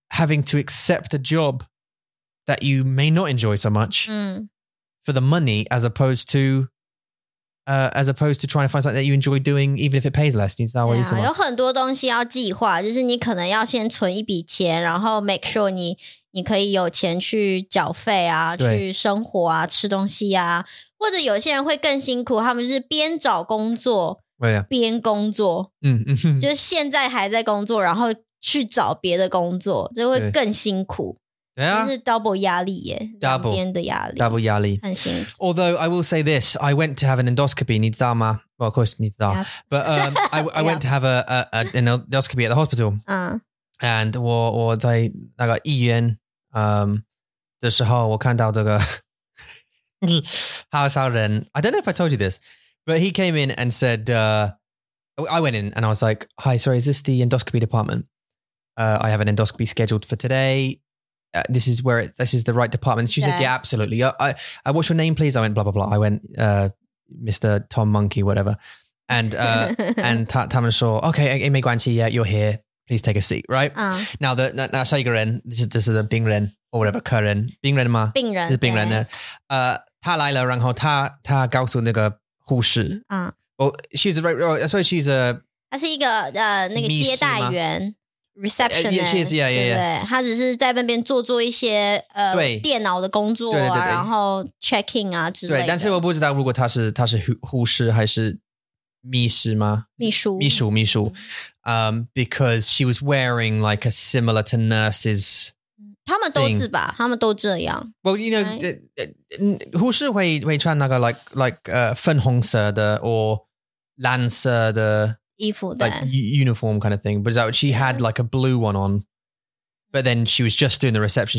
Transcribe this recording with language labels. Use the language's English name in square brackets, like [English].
[English] Having to accept a job that you may not enjoy so much、 mm. for the money, as opposed to trying to find something that you enjoy doing, even if it pays less. [Chinese] 你知道我意思吗？有很多东西要计划，就是你可能要先存一笔钱，然后 make sure 你可以有钱去缴费啊，去生活啊，吃东西啊。或者有些人会更辛苦，他们是边找工作、 [English] oh, yeah. [Chinese] 边工作，嗯嗯，就是现在还在工作，然后。去找别的工作就会更辛苦。对啊。是 double 压力耶。 [English] double. [Chinese] 两边的压力。 double 压力。很辛苦。 [English] Although, I will say this, I went to have an endoscopy, [Chinese] 你知道吗? [English] Well, of course, [Chinese] 你知道。 [English] But, I went to have an endoscopy at the hospital. [Chinese] 嗯。 And 我在那个医院的时候我看到这个好少人。 [English] I don't know if I told you this, but he came in and said, I went in and I was like, hi, sorry, is this the endoscopy department? I have an endoscopy scheduled for today. This is the right department. She said, yeah, absolutely. I what's your name, please? I went, blah, blah, blah. I went, Mr. Tom Monkey, whatever. And, and [Chinese] 他们说, [English] okay, [Chinese] 没关系, [English] yeah, you're here. Please take a seat, right? Now, now, [Chinese] 下一个人, [English] this is a 病人, or whatever, 客人, 病人吗? [Chinese] 病人, 是病人的。他来了,然后他告诉那个护士。 Well, she's a, right, I suppose she's a... 他是一个,那个接待员。 [English] Receptionist, yeah, yeah, yeah, yeah. [Chinese] 对不对？他只是在那边做一些电脑的工作啊，对对对对然后 checking 啊之类的。对，但是我不知道如果他是护士还是秘书吗？秘书。 [English] Because she was wearing like a similar to nurses. [Chinese] 他们都是吧？他们都这样。 [English] Well, you know, right? [Chinese] 护士会穿那个 like 粉红色的 or 蓝色的。衣服 [English] 的 like uniform kind of thing, but she had like a blue one on, but then she was just doing the reception.